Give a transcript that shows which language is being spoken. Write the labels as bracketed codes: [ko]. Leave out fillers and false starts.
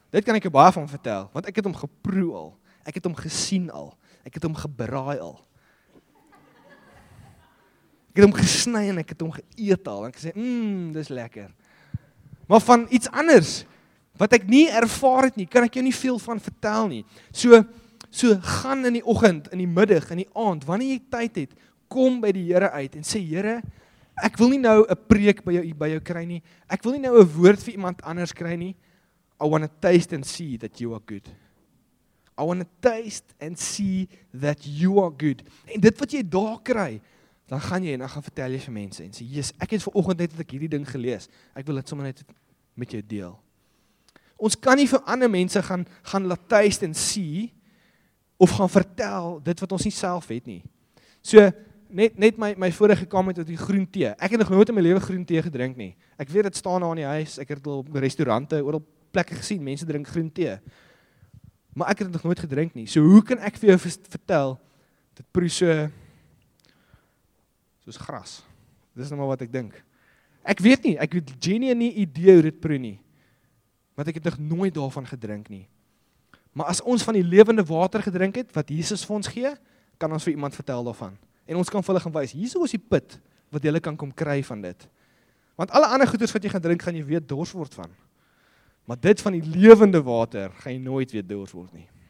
[af] Dit kan ek jou baie van vertel, want ek het hom geproe al. Ek het hom gesien al. Ek het hom gebraai al. Ek het hom gesny en ek het hom geëet al. En ek sê, dis lekker. Maar van iets anders, wat ek nie ervaar het nie, kan ek jou nie veel van vertel nie. So gaan in die oggend, in die middag, in die aand, wanneer jy tyd het, kom by die Here uit en sê, Here, ek wil nie nou 'n preek by jou kry nie. Ek wil nie nou 'n woord vir iemand anders kry nie. [en] I want to taste and see that you are good. I want to taste and see that you are good. [af] En dit wat jy daar kry, dan gaan jy en dan gaan vertel jy vir mense en sê, Jesus, ek het vanoggend net ek hierdie ding gelees. Ek wil dit sommer net met jou deel. Ons kan nie vir ander mense gaan laat tuist en sien of gaan vertel dit wat ons nie self het nie. So, net my vorige comment oor die groentee. Ek het nog nooit in my lewe groentee gedrink nie. Ek weet dit staan daar in die huis. Ek het al by restaurante oral plekke gesien, mense drink groentee. Maar ek het dit nog nooit gedrink nie. So, hoe kan ek vir jou vertel dit proe so soos gras. Dis nou maar wat ek dink. Ek weet nie, ek het genuinely nie idee hoe dit proe nie. Want ek het nog nooit daarvan gedrink nie. Maar as ons van die lewende water gedrink het, wat Jesus vir ons gee, kan ons vir iemand vertel daarvan. En ons kan vir hulle gaan wys, hierso is die put wat jy kan kom kry van dit. Want alle ander goeders wat jy gaan drink, gaan jy weet dors word van. Maar dit van die lewende water, gaan jy nooit weet dors word nie.